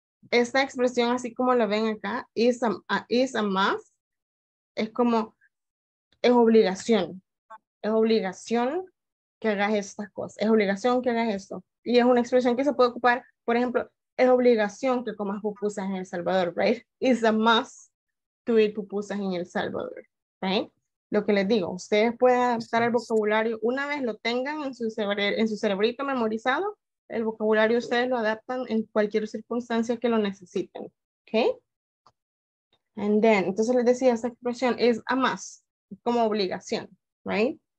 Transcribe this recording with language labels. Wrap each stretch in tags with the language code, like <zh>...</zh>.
<es>Esta expresión, así como la ven acá,</es> <en>is a must,</en> <es>es como, es obligación. Es obligación que hagas estas cosas, es obligación que hagas esto, y es una expresión que se puede ocupar, por ejemplo, es obligación que comas pupusas en El Salvador, right?</es> <en>It's a must to eat pupusas</en> <es>en El Salvador,</es> <en>right?</en> <es>Lo que les digo, ustedes pueden adaptar el vocabulario, una vez lo tengan en su cerebrito memorizado, el vocabulario ustedes lo adaptan en cualquier circunstancia que lo necesiten, okay?</es> <en>And then,</en> <es>entonces les decía, esta expresión</es> <en>is a must,</en> <es>como obligación, right?</es>